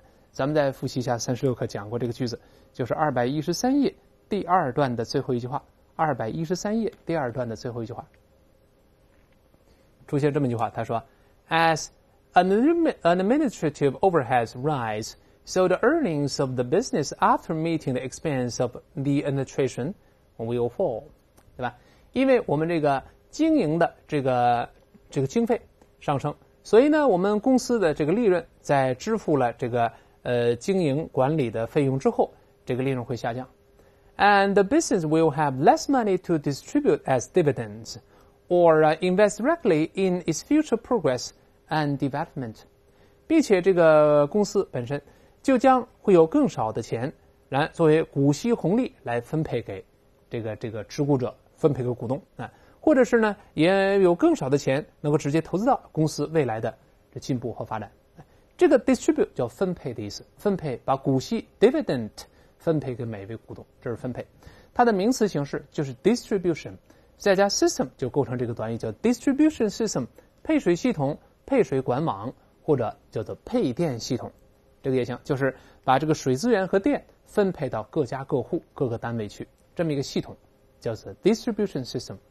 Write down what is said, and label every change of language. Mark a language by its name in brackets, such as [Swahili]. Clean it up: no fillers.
[Chinese] 咱们再复习一下36课讲过这个句子，就是213页第二段的最后一句话，213页第二段的最后一句话出现这么一句话，他说 As administrative overheads rise, so the earnings of the business after meeting the expense of the administration will fall， 对吧？因为我们这个经营的这个经费上升，所以呢我们公司的这个利润在支付了这个经营管理的费用之后，这个利润会下降。 [English] And the business will have less money to distribute as dividends or invest directly in its future progress and development， [Chinese] 并且这个公司本身就将会有更少的钱来作为股息红利来分配给这个持股者，分配给股东，或者是呢，也有更少的钱能够直接投资到公司未来的这进步和发展。这个 distribute 叫分配的意思，分配把股息 dividend 分配给每一位股东，这是分配。它的名词形式就是 distribution， 再加 system 就构成这个短语叫 distribution system， 配水系统、配水管网或者叫做配电系统，这个也行，就是把这个水资源和电分配到各家各户各个单位去，这么一个系统叫做 distribution system。